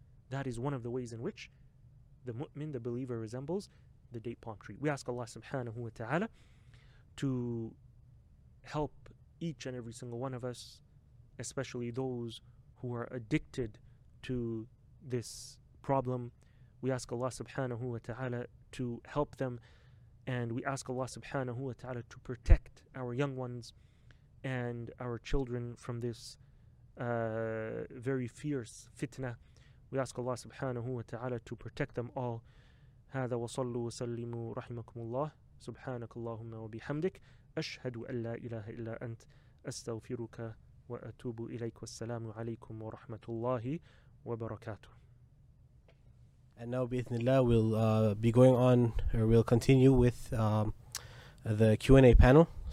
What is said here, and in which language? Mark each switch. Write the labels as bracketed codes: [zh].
[en] That is one of the ways in which the mu'min, the believer, resembles the date palm tree. We ask Allah subhanahu wa ta'ala to help each and every single one of us, especially those who are addicted to this problem. We ask Allah subhanahu wa ta'ala to help them, and we ask Allah subhanahu wa ta'ala to protect our young ones and our children from this very fierce fitna. We ask Allah subhanahu wa ta'ala to protect them all. [ar] هذا وصلوا وسلموا رحمكم الله سبحانك اللهم وبحمدك أشهد أن لا إله إلا أنت أستغفرك وأتوب إليك والسلام عليكم ورحمة الله وبركاته. [en] And now, bi-ithnillah, we'll be going on, or we'll continue with the Q&A panel.